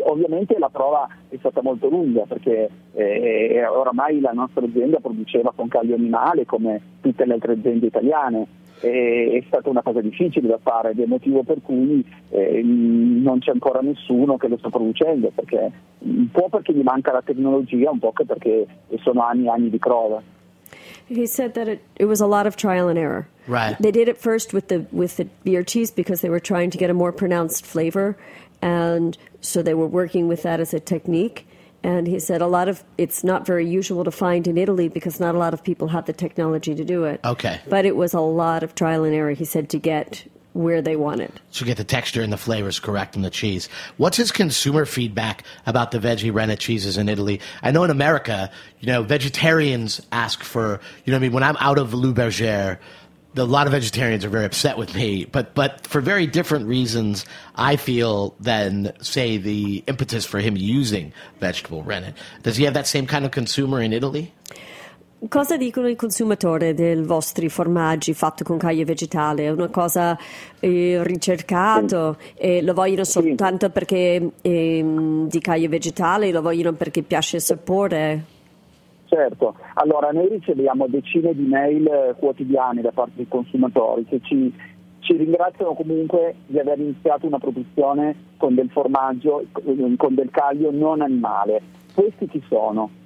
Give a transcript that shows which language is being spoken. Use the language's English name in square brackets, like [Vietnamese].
[Italian] Ovviamente la prova è stata molto lunga, perché oramai la nostra azienda produceva con caglio animale come tutte le altre aziende italiane. È stata una cosa difficile da fare, ed è il motivo per cui non c'è ancora nessuno che lo sta producendo, perché un po' perché gli manca la tecnologia, un po' perché sono anni e anni di prova. [English] He said that it was a lot of trial and error. Right. They did it first with the beer cheese because they were trying to get a more pronounced flavor, and so they were working with that as a technique. And he said it's not very usual to find in Italy because not a lot of people have the technology to do it. Okay. But it was a lot of trial and error, he said, to get where they want it. So get the texture and the flavors correct in the cheese. What's his consumer feedback about the veggie rennet cheeses in Italy? I know in America, you know, vegetarians ask for, you know what I mean, when I'm out of Le Berger, a lot of vegetarians are very upset with me, but for very different reasons, I feel, than, say, the impetus for him using vegetable rennet. Does he have that same kind of consumer in Italy? [Italian] Cosa dicono i consumatori dei vostri formaggi fatti con caglio vegetale? È una cosa ricercato? Lo vogliono soltanto perché di caglio vegetale? Lo vogliono perché piace il sapore? Certo, allora noi riceviamo decine di mail quotidiane da parte dei consumatori che ci ringraziano comunque di aver iniziato una produzione con del formaggio, con del caglio non animale. Questi chi sono?